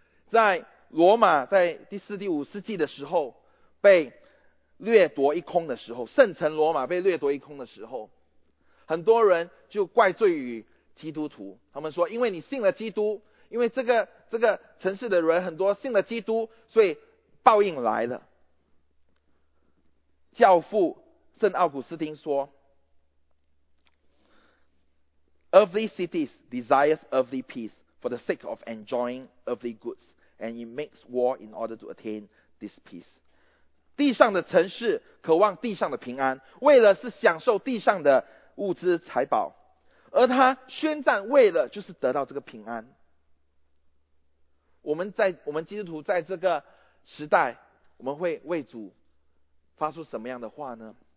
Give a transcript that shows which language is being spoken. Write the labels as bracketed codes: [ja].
[zh] 在罗马在第四第五世纪的时候被掠夺一空的时候，圣城罗马被掠夺一空的时候，很多人就怪罪于基督徒，他们说因为你信了基督，因为这个城市的人很多信了基督，所以报应来了。教父圣奥古斯丁说， [en] Earthly cities desires earthly peace for the sake of enjoying earthly goods, and it makes war in order to attain this peace. [zh] 地上的城市渴望地上的平安，为了是享受地上的物资财宝，而他宣战为了就是得到这个平安。我们基督徒在这个时代，我们会为主发出什么样的话呢？